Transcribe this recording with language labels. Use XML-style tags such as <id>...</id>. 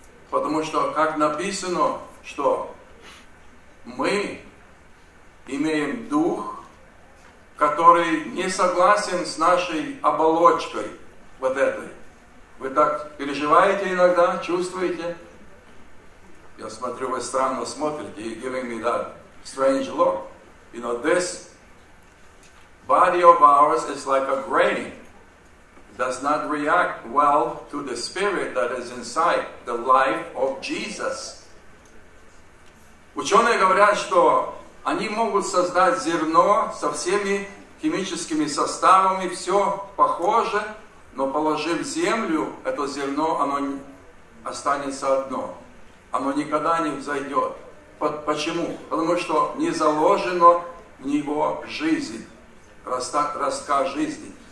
<ru>Потому что, как написано, что мы имеем дух, который не согласен с нашей оболочкой. Вот это. Вы так переживаете иногда? Чувствуете? Я смотрю, вы странно смотрите.</ru> <en>You're giving me that strange look. You know, this body of ours is like a grain. It does not react well to the spirit that is inside the life of Jesus.</en> <ru>Ученые говорят, что они могут создать зерно со всеми химическими составами, все похоже, но положив землю, это зерно, оно останется одно. Оно никогда не взойдет. Почему? Потому что не заложено в него жизнь, ростка жизни.</ru>